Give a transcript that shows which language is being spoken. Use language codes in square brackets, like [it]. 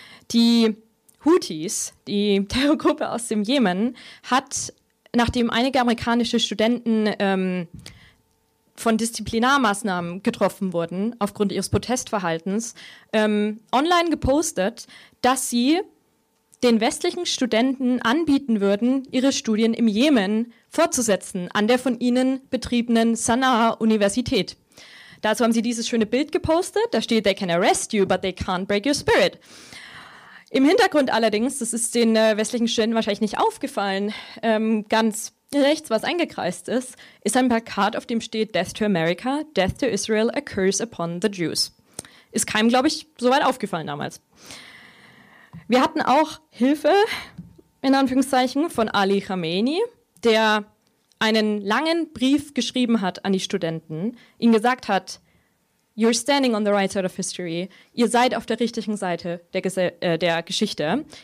[de] Die Houthis, die Terrorgruppe aus dem Jemen, hat, nachdem einige amerikanische Studenten von Disziplinarmaßnahmen getroffen wurden, aufgrund ihres Protestverhaltens, online gepostet, dass sie den westlichen Studenten anbieten würden, ihre Studien im Jemen fortzusetzen, an der von ihnen betriebenen Sanaa-Universität. Dazu haben sie dieses schöne Bild gepostet. Da steht, [en] they can arrest you, but they can't break your spirit. [de] Im Hintergrund allerdings, das ist den westlichen Studenten wahrscheinlich nicht aufgefallen, ganz rechts, was eingekreist ist, ist ein Plakat, auf dem steht, [en] Death to America, Death to Israel, a curse upon the Jews. [de] Ist keinem, glaube ich, soweit aufgefallen damals. Wir hatten auch Hilfe, in Anführungszeichen, von Ali Khamenei, der einen langen Brief geschrieben hat an die Studenten, ihnen gesagt hat, [en] you're standing on the right side of history, [de] ihr seid auf der richtigen Seite der Geschichte.